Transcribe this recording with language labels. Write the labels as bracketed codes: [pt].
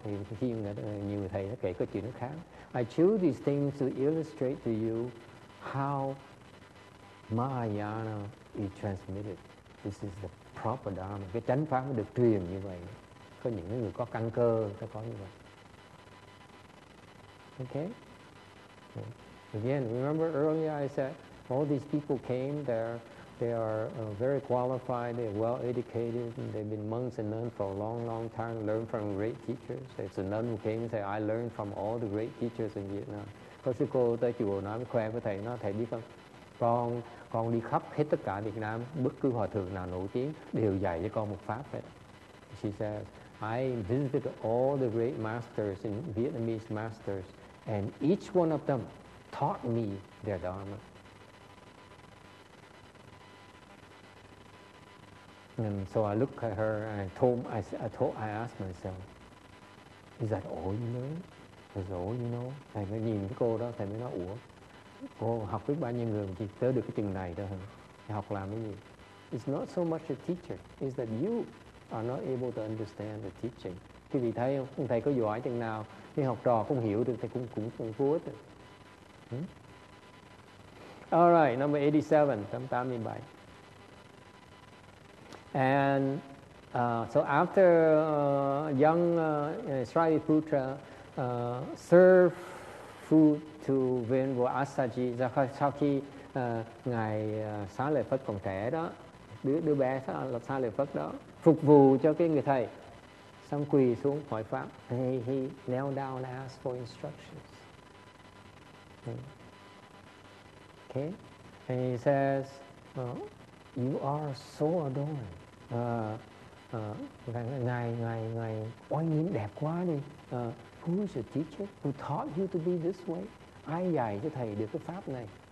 [vi] Thì khi nhiều thầy nó kể câu chuyện nó khác. [en] I choose these things to illustrate to you how Mahayana is transmitted. This is the proper Dharma. [vi] Cái chánh pháp nó được truyền như vậy. Có những người có căn cơ, nó có như vậy. [en] Okay? Again, remember earlier I said all these people came there, they are very qualified, they're well educated, and they've been monks and nuns for a long, long time, learned from great teachers. It's a nun who came and said, I learned from all the great teachers in Vietnam. [vi] Có sư cô tới chùa nói khoe với thầy, nói thầy biết không? Con đi khắp hết tất cả Việt Nam, bất cứ hòa thượng nào nổi tiếng đều dạy cho con một pháp hết. [en] She said, I visited all the great masters and Vietnamese masters, and each one of them taught me their dharma. And so I looked at her and I asked myself, is that all you know? Is that all you know? [vi] Thầy mới nhìn cái cô đó, thầy mới nói, ủa? Cô học biết bao nhiêu người mà chỉ tới được cái chừng này thôi hả? Học làm cái gì? [en] It's not so much a teacher, it's that you are not able to understand the teaching. [vi] Thì vì thấy không? Thầy có giỏi chừng nào, thì học trò không hiểu được, thầy cũng vô ích. [en] All right, number 87. And so after young Shariputra served food to Venerable Asaji, [vi] sau khi ngài Xá Lợi Phất còn trẻ đó, đứa bé Xá Lợi Phất đó phục vụ cho cái người thầy, xong quỳ xuống hỏi pháp, [en] he knelt down and asked for instructions. Okay, and he says, you are so adorned. [vi] Ngài oai nghiêm đẹp quá đi. [en] Who is your teacher? Who taught you to be this way? [vi] Ai dạy cho thầy được cái pháp này?